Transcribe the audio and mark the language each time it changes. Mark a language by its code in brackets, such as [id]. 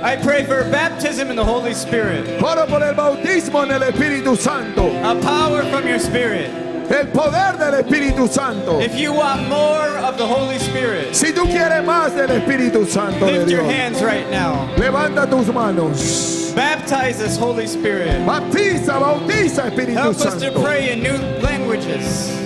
[en] I pray for baptism in the Holy Spirit. [es] Oro por el bautismo en el Espíritu Santo. [en] A power from your Spirit. [es] El poder del Espíritu Santo. [en] If you want more of the Holy Spirit, [es] si tú quieres más del Espíritu Santo, [en] lift [es] de Dios, [en] your hands right now. [es] Levanta tus manos. [en] Baptize us, Holy Spirit. [es] Bautiza, bautiza, Espíritu [en] Help [es] Santo. [en] Help us to pray in new languages.